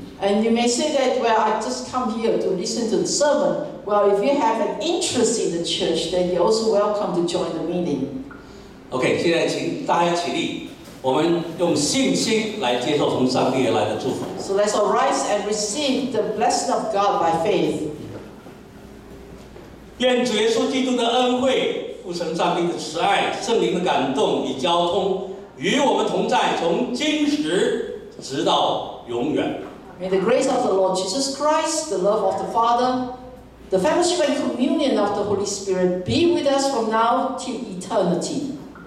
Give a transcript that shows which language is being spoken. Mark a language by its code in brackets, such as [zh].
[en] And you may say that, well, I just come here to listen to the sermon. Well, if you have an interest in the church, then you're also welcome to join the meeting. [zh] Okay, 现在请大家起立，我们用信心来接受从上帝而来的祝福。 [en] So let's arise and receive the blessing of God by faith. [zh] 愿主耶稣基督的恩惠、父神上帝的慈爱、圣灵的感动与交通与我们同在，从今时直到永远。 [en] May the grace of the Lord Jesus Christ, the love of the Father, the fellowship and communion of the Holy Spirit be with us from now till eternity.